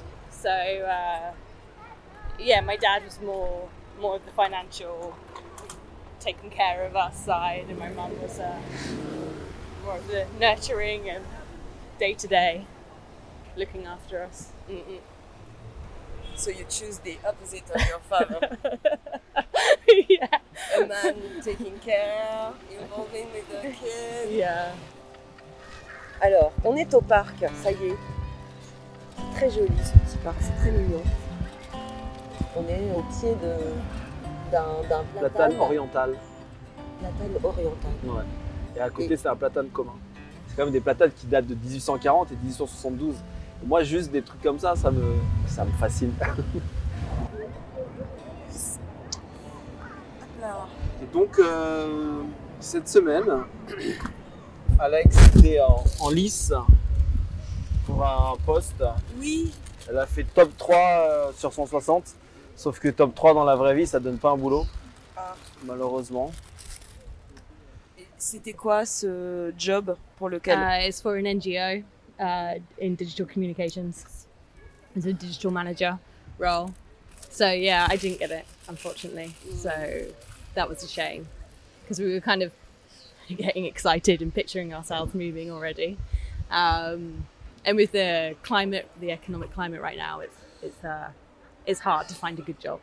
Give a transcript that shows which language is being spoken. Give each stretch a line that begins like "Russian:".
English: So, my dad was more of the financial taking care of us side, and my mum was more of the nurturing and day-to-day looking after us. Mm-mm. So you choose the opposite of your father. Yeah. A man taking care, involving with the kids. Yeah.
French: Alors, on est au parc, ça y est. Très joli ce petit parc, c'est très mignon. On est au pied d'un platane. Platane oriental. Platane oriental. Ouais. Et à côté, c'est un platane commun. C'est quand même des platanes qui datent de 1840 et 1872. Moi, juste des trucs comme ça, ça me fascine. Et donc, cette semaine, Alex était en lice pour un poste. Oui. Elle a fait top 3 sur 160. Sauf que top 3 dans la vraie vie, ça donne pas un boulot. Ah. Malheureusement. C'était quoi ce job pour lequel?
English: It's for an NGO. In digital communications as a digital manager role. So yeah, I didn't get it, unfortunately. So that was a shame because we were kind of getting excited and picturing ourselves moving already. And with the climate, the economic climate right now, it's hard to find a good job.